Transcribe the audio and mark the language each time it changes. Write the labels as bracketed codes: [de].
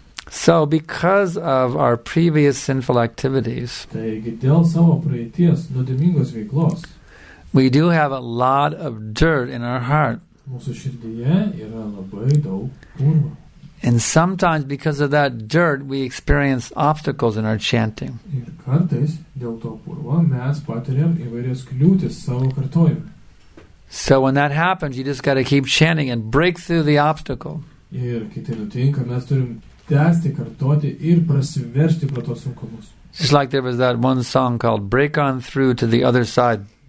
[en] So, because of our previous sinful activities, we do have a lot of dirt in our heart. [lt] Mūsų širdyje yra labai daug purvo. [en] And sometimes because of that dirt, we experience obstacles in our chanting. [lt] Ir kartais dėl to purvo mes patiriam įvairias kliūtis savo kartojimui. [en] So when that happens, you just got to keep chanting and break through the obstacle. [lt] Ir kai tai nutinka, mes turim tęsti kartoti ir prasiveržti pro tuos sunkumus. [en] Just like there was that one song called Break On Through to the Other Side.